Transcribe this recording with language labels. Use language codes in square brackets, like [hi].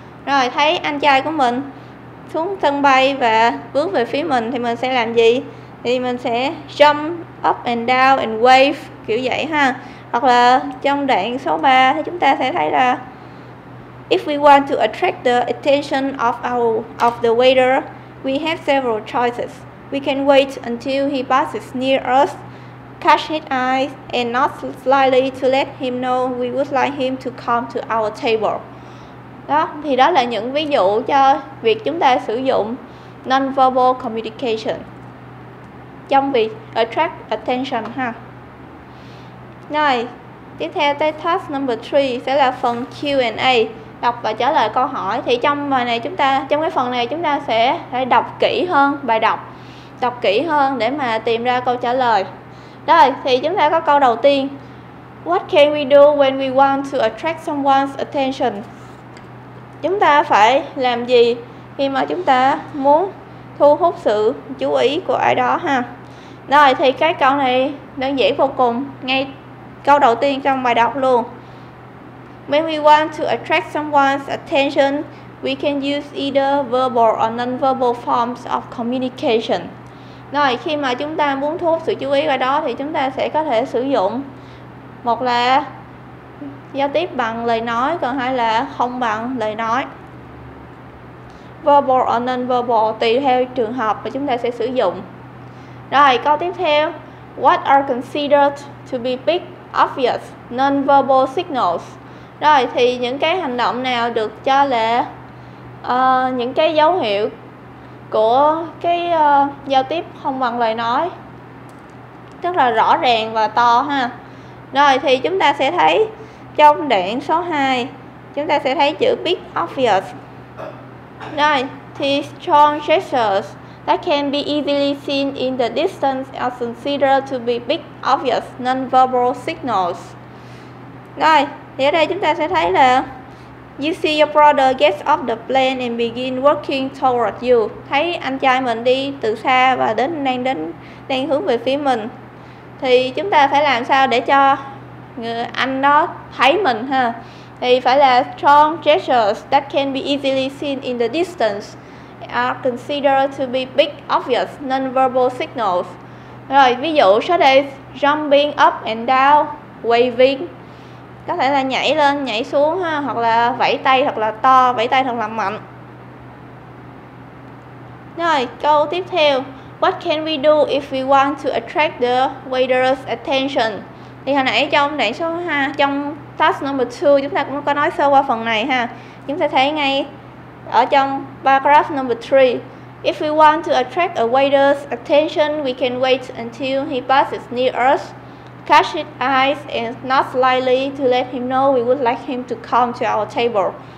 [vi] Rồi thấy anh trai của mình xuống sân bay và bước về phía mình thì mình sẽ làm gì? Thì mình sẽ [en] jump up and down and wave [vi] kiểu vậy ha. Hoặc là trong đoạn số 3 thì chúng ta sẽ thấy là [en] if we want to attract the attention of the waiter, we have several choices. We can wait until he passes near us, catch his eye and nod slightly to let him know we would like him to come to our table. [vi] Đó, thì đó là những ví dụ cho việc chúng ta sử dụng non-verbal communication trong việc attract attention ha. Rồi, tiếp theo tới task number 3 sẽ là phần Q&A, đọc và trả lời câu hỏi. Thì trong bài này chúng ta, trong cái phần này chúng ta sẽ phải đọc kỹ hơn bài đọc, đọc kỹ hơn để mà tìm ra câu trả lời. Rồi, thì chúng ta có câu đầu tiên. [en] What can we do when we want to attract someone's attention? [vi] Chúng ta phải làm gì khi mà chúng ta muốn thu hút sự chú ý của ai đó ha? Rồi, thì cái câu này đơn giản vô cùng, ngay câu đầu tiên trong bài đọc luôn. [en] When we want to attract someone's attention, we can use either verbal or non-verbal forms of communication. [vi] Rồi, khi mà chúng ta muốn thu hút sự chú ý vào đó thì chúng ta sẽ có thể sử dụng một là giao tiếp bằng lời nói, còn hai là không bằng lời nói. Verbal or non-verbal tùy theo trường hợp mà chúng ta sẽ sử dụng. Rồi, câu tiếp theo. [en] What are considered to be big, obvious, non-verbal signals? [vi] Rồi, thì những cái hành động nào được cho là những cái dấu hiệu của cái giao tiếp không bằng lời nói rất là rõ ràng và to ha. Rồi, thì chúng ta sẽ thấy trong đoạn số 2 chúng ta sẽ thấy chữ big, obvious. Rồi, thì [en] strong gestures that can be easily seen in the distance are considered to be big, obvious, non-verbal signals. [vi] Rồi, thì ở đây chúng ta sẽ thấy là [en] you see your brother get off the plane and begin walking towards you. [vi] Thấy anh trai mình đi từ xa và đang hướng về phía mình. Thì chúng ta phải làm sao để cho người anh đó thấy mình ha? Thì phải là [en] strong gestures that can be easily seen in the distance are considered to be big, obvious, non-verbal signals. [vi] Rồi, ví dụ [en] such as jumping up and down, waving. [vi] Có thể là nhảy lên, nhảy xuống ha, hoặc là vẫy tay thật là to, vẫy tay thật là mạnh. Rồi, câu tiếp theo. [en] What can we do if we want to attract the waiter's attention? [vi] Thì hồi nãy trong đoạn số 2, trong task number 2 chúng ta cũng có nói sơ qua phần này ha. Chúng ta thấy ngay ở trong [en] paragraph number 3. If we want to attract a waiter's attention, we can wait until he passes near us, catch his eyes and nod slightly to let him know we would like him to come to our table.